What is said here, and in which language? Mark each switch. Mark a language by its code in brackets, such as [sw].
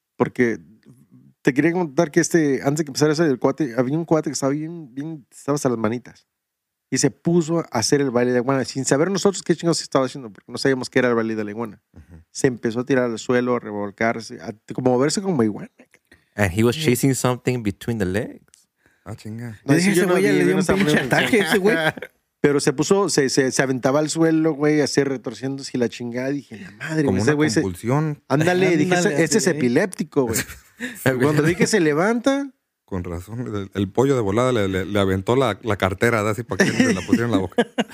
[es] Porque te quería contar que antes de que empezara ese del cuate, había un cuate que estaba bien, estaba hasta las manitas. Y se puso a hacer el baile de iguana sin saber nosotros qué chingados estaba haciendo, porque no sabíamos qué era el baile de la iguana. Uh-huh. Se empezó a tirar al suelo, a revolcarse, a como moverse como iguana. [en] And he was chasing something between the legs. [es] Ah, chinga. No, le dio un pinche ataque ese güey. Pero se puso, se aventaba al suelo, güey, así retorciéndose y la chingada. Dije, la madre, como ese güey. Como una convulsión. Ándale, dije, ese es epiléptico, güey. Cuando vi que se levanta. Con razón, el pollo de volada le aventó la cartera, así para que se la pusiera en la boca.